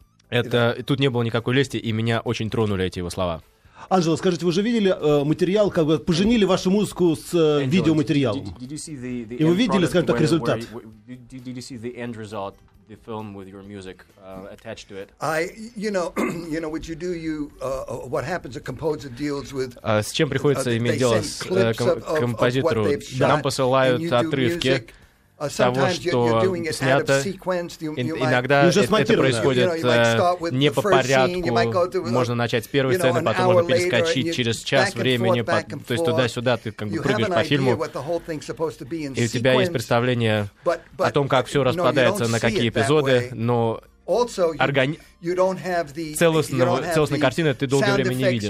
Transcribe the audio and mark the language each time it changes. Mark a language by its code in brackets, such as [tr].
[ru] Это тут не было никакой лести, и меня очень тронули эти его слова. Анжела, скажите, вы же видели материал, как бы поженили вашу музыку с видеоматериалом? И вы видели, скажем так, результат? [en] The film with your music attached to it. You know what you do. You what happens? A composer deals with. [ru] С чем приходится иметь дело с композитору? Нам посылают отрывки того, что снято. Иногда это происходит не по порядку. Можно начать с первой сцены, потом можно перескочить через час времени, то есть туда-сюда ты как бы прыгаешь по фильму, и у тебя есть представление о том, как все распадается на какие эпизоды, но целостной картины ты долгое время не видишь.